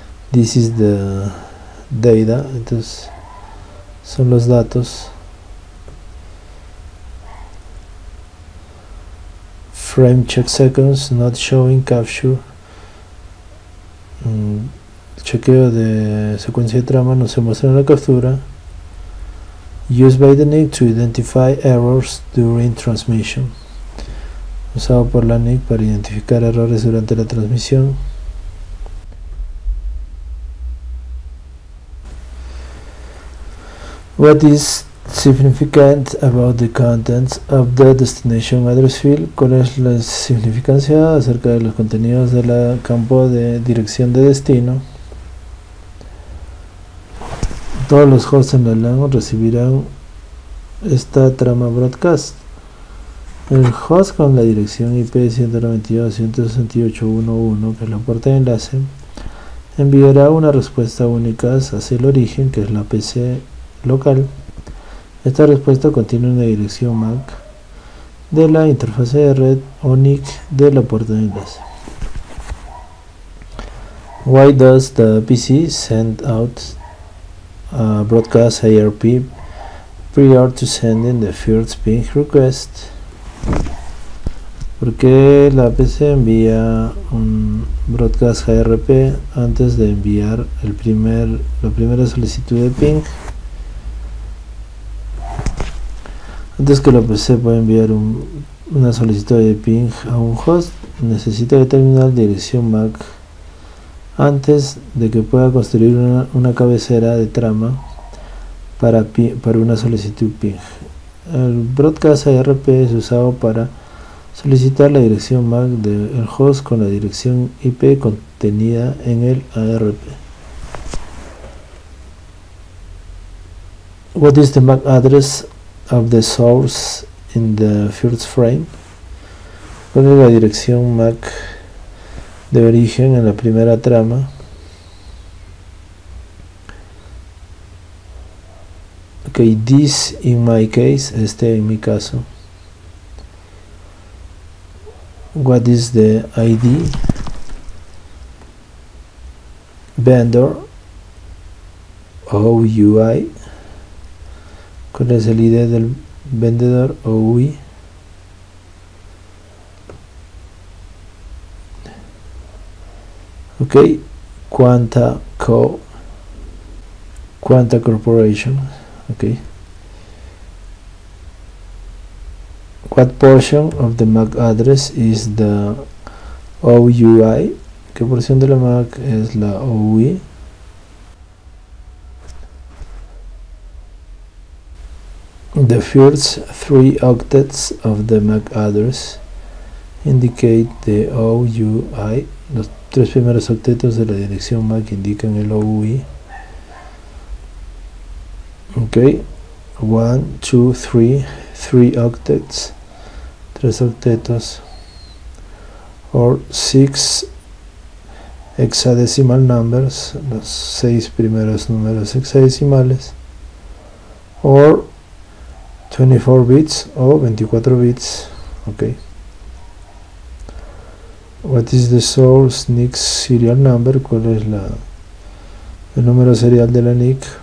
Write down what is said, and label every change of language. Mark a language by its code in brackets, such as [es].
[en] This is the data. [es] Entonces, son los datos. [en] Frame check seconds not showing capture. [es] Chequeo de secuencia de trama no se muestra en la captura. [en] Used by the NIC to identify errors during transmission. [es] Usado por la NIC para identificar errores durante la transmisión. [en] What is significant about the contents of the destination address field? [es] ¿Cuál es la significancia acerca de los contenidos del campo de dirección de destino? Todos los hosts en la LAN recibirán esta trama broadcast. El host con la dirección IP 192.168.1.1, que es la puerta de enlace, enviará una respuesta única hacia el origen, que es la PC local. Esta respuesta contiene una dirección MAC de la interfase de red o NIC de la puerta de enlace. [en] Why does the PC send out a broadcast IRP prior to sending the first ping request? [es] ¿Por qué la PC envía un broadcast IRP antes de enviar la primera solicitud de ping? Antes que la PC pueda enviar una solicitud de ping a un host, necesita determinar la dirección MAC antes de que pueda construir una cabecera de trama para una solicitud ping. El broadcast IRP es usado para solicitar la dirección MAC del host con la dirección IP contenida en el ARP. [en] What is the MAC address of the source in the first frame? [es] ¿Cuál es la dirección MAC de origen en la primera trama? [en] Okay, this in my case, [es] este en mi caso. [en] What is the ID? Vendor o UI. [es] ¿Cuál es el ID del vendedor o UI? [en] Ok, Quanta Corporation. Ok. What portion of the MAC address is the OUI? [es] ¿Qué porción de la MAC es la OUI? [en] The first three octets of the MAC address indicate the OUI. [es] Los tres primeros octetos de la dirección MAC indican el OUI. [en] Ok, 1, 2, 3 octets. [es] Tres octetos [en] or 6 hexadecimal numbers, [es] los seis primeros números hexadecimales, [en] or 24 bits [es] o 24 bits. [en] Ok, what is the source NIC serial number? [es] ¿Cuál es el número serial de la NIC?